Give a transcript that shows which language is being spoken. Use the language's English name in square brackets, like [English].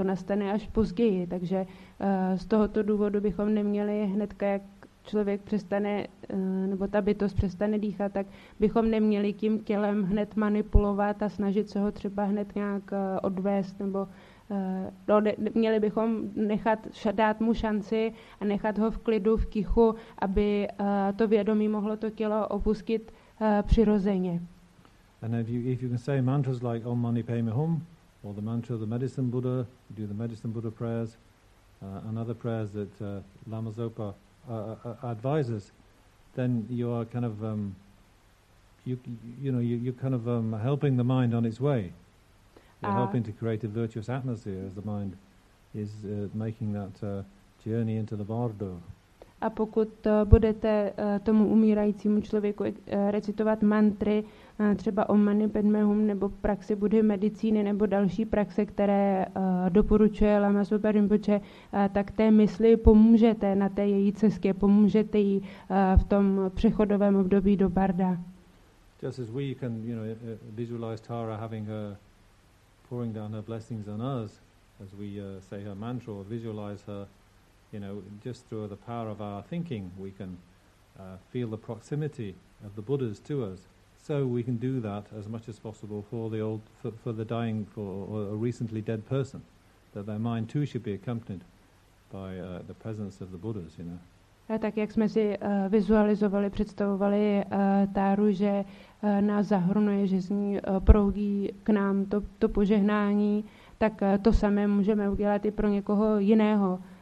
[Czech] To nastane až později. Takže z tohoto důvodu bychom neměli hnedka, jak člověk přestane, nebo ta bytost přestane dýchat, tak bychom neměli tím tělem hned manipulovat a snažit se ho třeba hned nějak odvést. Nebo měli bychom nechat dát mu šanci a nechat ho v klidu, v tichu, aby to vědomí mohlo to tělo opustit přirozeně. [English] And if you can say mantras like Om Mani Padme Hum, or the mantra of the Medicine Buddha, do the Medicine Buddha prayers, and other prayers that Lama Zopa advises, then you are kind of you're helping the mind on its way. You're helping to create a virtuous atmosphere as the mind is making that journey into the bardo. [Czech] A pokud budete tomu umírajícímu člověku recitovat mantry, třeba Om Mani Padme Hum, nebo praxi Buddhy medicíny, nebo další praxe, které doporučuje Lama Zopa Rinpoche, tak té mysli pomůžete na té její cestě, pomůžete jí v tom přechodovém období do barda. [English] Just as we can visualize Tara having her pouring down her blessings on us as we say her mantra or visualize her, just through the power of our thinking, we can feel the proximity of the Buddhas to us. So we can do that as much as possible for the dying, or a recently dead person, that their mind too should be accompanied by the presence of the Buddhas, [Czech] A tak jak jsme si vizualizovali, představovali Táru, že nás zahrnuje, že z ní proudí k nám to požehnání, tak to samé můžeme udělat i pro někoho jiného.